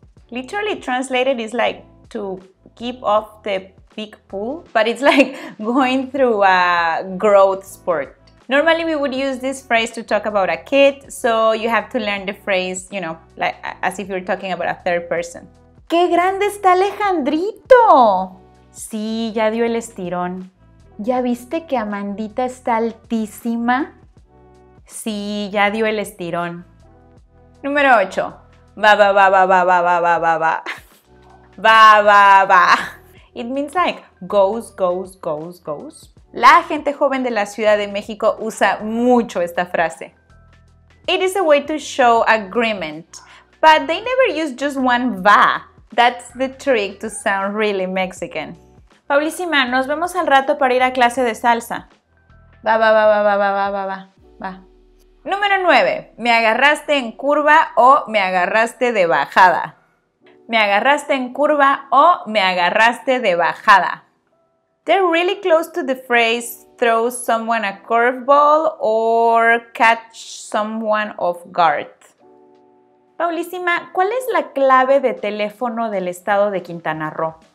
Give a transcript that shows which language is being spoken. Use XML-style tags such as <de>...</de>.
<en>Literally translated is like to give off the big pull, but it's like going through a growth spurt. Normally we would use this phrase to talk about a kid, so you have to learn the phrase, you know, like as if you're talking about a third person.</en> <es>¡Qué grande está Alejandrito! Sí, ya dio el estirón. ¿Ya viste que Amandita está altísima? Sí, ya dio el estirón. Número 8. Ba ba ba ba ba ba ba ba ba ba. Ba ba ba.</es> <en>It means like goes, goes, goes, goes.</en> <es>La gente joven de la Ciudad de México usa mucho esta frase.</es> <en>It is a way to show agreement, but they never use just one va. That's the trick to sound really Mexican.</en> <es>Paulísima, nos vemos al rato para ir a clase de salsa. Va, va, va, va, va, va, va, va, va. Número 9. ¿Me agarraste en curva o me agarraste de bajada? ¿Me agarraste en curva o me agarraste de bajada?</es> <en>They're really close to the phrase throw someone a curveball or catch someone off guard.</en> <es>Paulísima, ¿cuál es la clave de teléfono del estado de Quintana Roo?</es>